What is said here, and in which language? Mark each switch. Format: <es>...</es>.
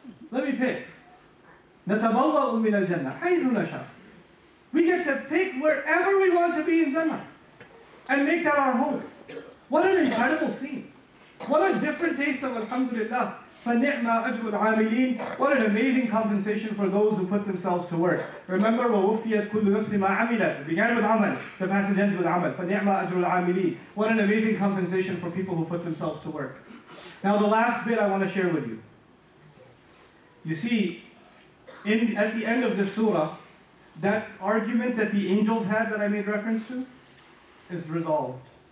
<en>Let me pick.</en> <ar>نَتَبَوَّأُ مِنَ الْجَنَّةِ حَيْثُ نَشَأْ.</ar> <en>We get to pick wherever we want to be in Jannah and make that our home. What an incredible scene. What a different taste of Alhamdulillah.</en> <ar>فَنِعْمَا أَجْرُ الْعَامِلِينَ.</ar> <en>What an amazing compensation for those who put themselves to work. Remember,</en> <ar>وَوُفِّيَتْ كُلُّ نَفْسِ مَا عَمِلَتْ.</ar> <en>It began with Amal, the passage ends with Amal.</en> <ar>فَنِعْمَا أَجْرُ الْعَامِلِينَ.</ar> <en>What an amazing compensation for people who put themselves to work. Now the last bit I want to share with you. You see, at the end of this surah, that argument that the angels had that I made reference to is resolved.</en>